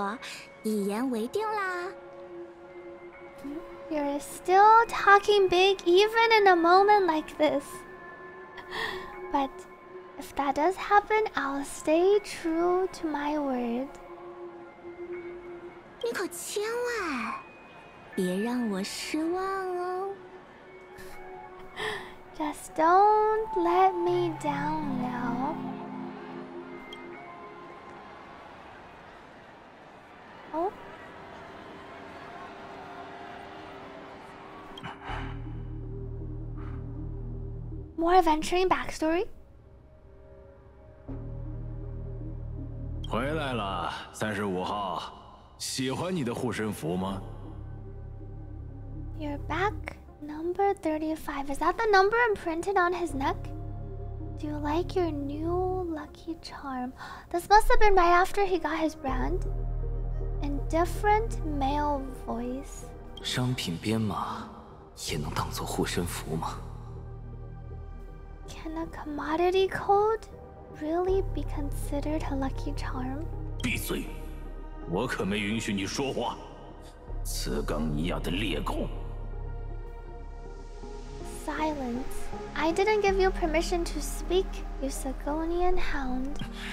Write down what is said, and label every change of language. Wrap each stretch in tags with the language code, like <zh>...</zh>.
<zh>到了这份上还有心思大放厥词。不过，一言为定啦。</zh> <en>You're still talking big even in a moment like this. But if that does happen, I'll stay true to my word.</en> <zh>你可千万别让我失望哦。</zh> <en>Just don't let me down now. Oh? More adventuring backstory?</en> <zh>回来了，35号。喜欢你的护身符吗?</zh> <en>You're back, number 35. Is that the number imprinted on his neck? Do you like your new lucky charm? This must have been right after he got his brand. Indifferent male voice.</en> <zh>商品编码也能当作护身符吗?</zh> <en>Can a commodity code really be considered a lucky charm?</en> <zh>闭嘴! 我可没允许你说话，此刚尼亚的猎狗。</zh> <en>Silence. I didn't give you permission to speak, you Sagonian hound.</en>